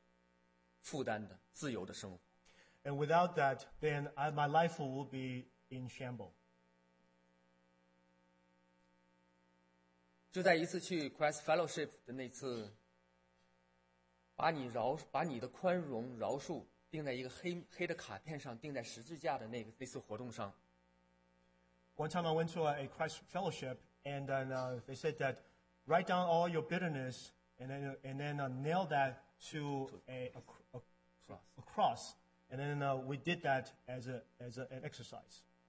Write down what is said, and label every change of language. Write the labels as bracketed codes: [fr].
[zh] 因为神的话是信实的，如果我不拿去，也可能到如今，我无法快乐，没有负担的自由的生活。 [en] And without that, then my life will be in shambles. [zh] 就在一次去 Christ Fellowship 的那次。把你的宽容饶恕钉在一个黑的卡片上，钉在十字架的那次活动上。 [en] One time I went to a Christ fellowship, and then they said that write down all your bitterness, and then nail that to a cross, and then we did that as an exercise.